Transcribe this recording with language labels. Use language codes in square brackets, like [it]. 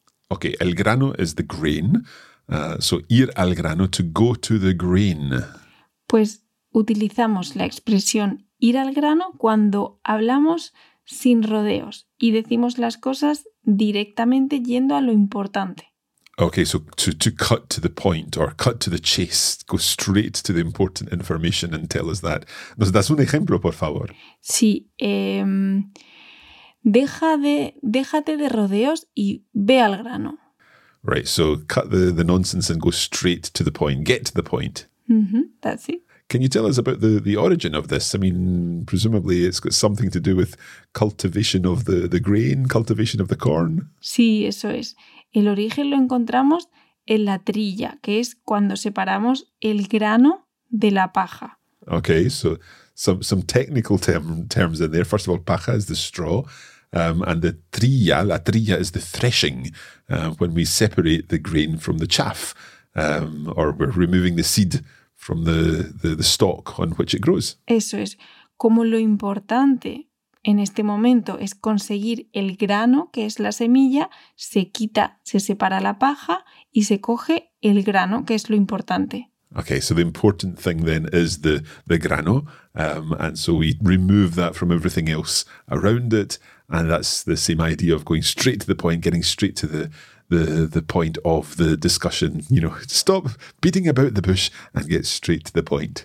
[en] Ok, [es] el grano es [en] the grain, so [es] ir al grano, [en] to go to the grain. [es] Pues utilizamos la expresión ir al grano cuando hablamos sin rodeos y decimos las cosas directamente yendo a lo importante. [en] Ok, so to cut to the point or cut to the chase, go straight to the important information and tell us that. [es] ¿Nos das un ejemplo, por favor? Sí, déjate de rodeos y ve al grano. [en] Right, so cut the nonsense and go straight to the point. Get to the point. Mm-hmm, that's it. Can you tell us about the origin of this? I mean, presumably it's got something to do with cultivation of the grain, cultivation of the corn. [es] Sí, eso es. El origen lo encontramos en la trilla, que es cuando separamos el grano de la paja. [en] Okay, so some technical terms in there. First of all, paja is the straw, and the trilla, la trilla is the threshing, when we separate the grain from the chaff, or we're removing the seed from the stalk on which it grows. [es] Eso es. Como lo importante en este momento es conseguir el grano, que es la semilla, se quita, se separa la paja y se coge el grano, que es lo importante. [en] Okay, so the important thing then is the grano, and so we remove that from everything else around it, and that's the same idea of going straight to the point, getting straight to the point of the discussion. You know, stop beating about the bush and get straight to the point.